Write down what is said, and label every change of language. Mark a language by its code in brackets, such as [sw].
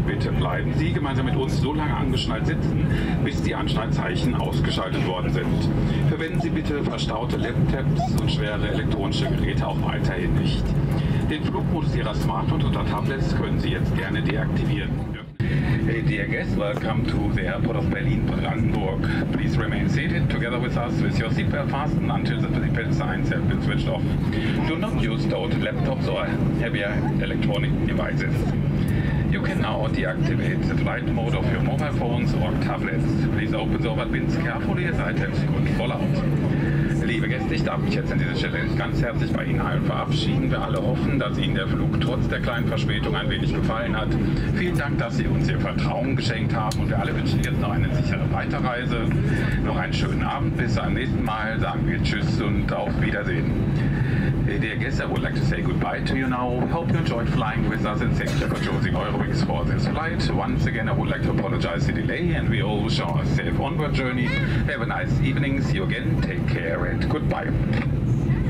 [de] Bitte bleiben Sie gemeinsam mit uns so lange angeschnallt sitzen, bis die Anschnallzeichen ausgeschaltet worden sind. Verwenden Sie bitte verstaute Laptops und schwere elektronische Geräte auch weiterhin nicht. Den Flugmodus Ihrer Smartphones oder Tablets können Sie jetzt gerne deaktivieren. [en] Hey dear guests, welcome to the airport of Berlin-Brandenburg. Please remain seated together with us with your seatbelt fastened until the seatbelt signs have been switched off. Do not use stowed laptops or heavier electronic devices. You can now deactivate the flight mode of your mobile phones or tablets. Please open the overhead bins carefully as items could fall out. [de] Liebe Gäste, ich darf mich jetzt an dieser Stelle ganz herzlich bei Ihnen allen verabschieden. Wir alle hoffen, dass Ihnen der Flug trotz der kleinen Verspätung ein wenig gefallen hat. Vielen Dank, dass Sie uns Ihr Vertrauen geschenkt haben und wir alle wünschen jetzt noch eine sichere Weiterreise. Noch einen schönen Abend, bis zum nächsten Mal. Sagen wir Tschüss und auf Wiedersehen. [en] Dear guests, I would like to say goodbye to you now. Hope you enjoyed flying with us and thank you for choosing Eurowings for this flight. Once again, I would like to apologize for the delay and we all wish you a safe onward journey. Have a nice evening. See you again. Take care and goodbye.